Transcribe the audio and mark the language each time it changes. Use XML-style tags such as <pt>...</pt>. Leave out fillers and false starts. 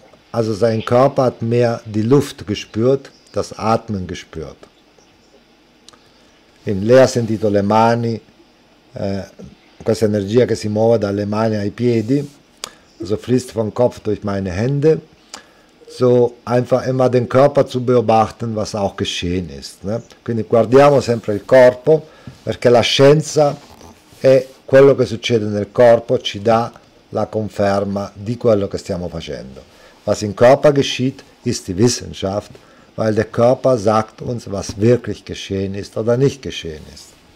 <de>hat mehr die Luft gespürt, das Atmen gespürt.</de> <it>Lei ha sentito le mani, questa energia che si muove dalle mani ai piedi,</it> <de>also fließt vom Kopf durch meine Hände. So einfach immer den Körper zu beobachten, was auch geschehen ist. Ne?</de> <it>Quindi guardiamo sempre il corpo, perché la scienza è quello che succede nel corpo, ci dà la conferma di quello che stiamo facendo.</it> <de>Was im Körper geschieht, ist die Wissenschaft, weil der Körper sagt uns, was wirklich geschehen ist oder nicht geschehen ist.</de>